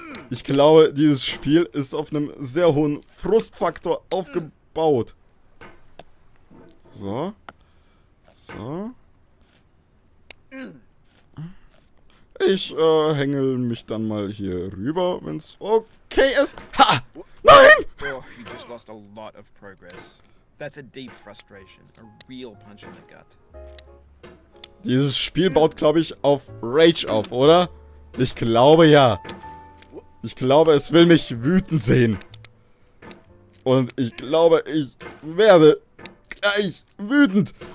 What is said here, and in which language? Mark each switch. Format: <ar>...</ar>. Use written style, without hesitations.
<de>Ich glaube, dieses Spiel ist auf einem sehr hohen Frustfaktor aufgebaut. So. So. Ich hängel mich dann mal hier rüber, wenn es okay ist. Ha! Nein!</de> <en>Oh, you just lost a lot of progress. That's a deep frustration. A real punch in the gut.</en> <de>Dieses Spiel baut, glaube ich, auf Rage auf, oder? Ich glaube ja. Ich glaube, es will mich wütend sehen. Und ich glaube, ich werde gleich wütend.</de>